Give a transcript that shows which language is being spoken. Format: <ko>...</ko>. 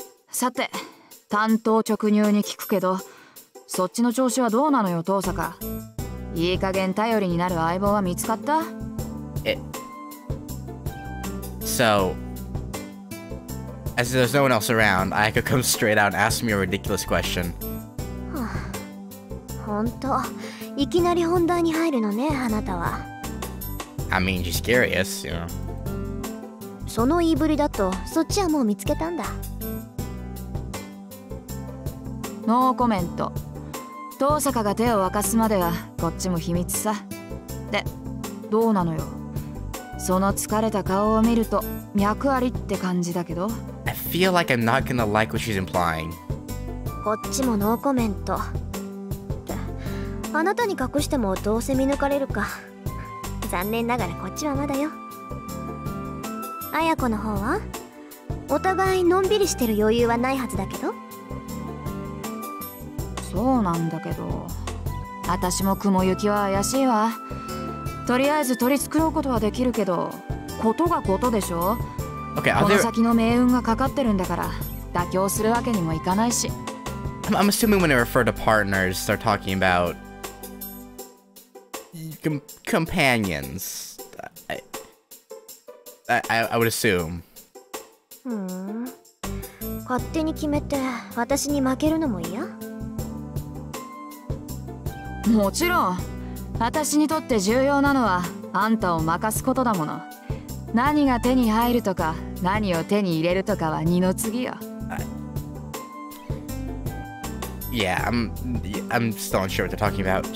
<ja>さて、単刀直入に聞くけど、そっちの調子はどうなのよ、遠坂。いい加減頼りになる相棒は見つかった? え?</ja> <en>So, as there's no one else around, I could come straight out and ask me a ridiculous question. I mean, she's curious, you know.</en> <ja>その言いぶりだと、そっちはもう見つけたんだ。ノーコメント。遠坂が手を沸かすまでは、こっちも秘密さ。で、どうなのよ。その疲れた顔を見ると、脈ありって感じだけど。</ja> <en>I feel like I'm not gonna like what she's implying.</en> <ja>こっちもノーコメント。って、あなたに隠してもどうせ見抜かれるか。残念ながらこっちはまだよ。 Ayako の方は？お互いのんびりしてる余裕はないはずだけど？そうなんだけど、私も雲行きは怪しいわ。とりあえず取り繕うことはできるけど、ことがことでしょ？</ja> <en>Okay, are there...</en> <ja>この先の命運がかかってるんだから、妥協するわけにもいかないし。</ja> <en>I'm assuming when they refer to partners, they're talking about... companions. I would assume. Hmm.</en> <ja>勝手に決めて私に負けるのも嫌？もちろん。私にとって重要なのはあんたを任すことだもの。何が手に入るとか何を手に入れるとかは二の次よ。</ja> <en>Yeah, I'm still unsure what they're talking about.</en>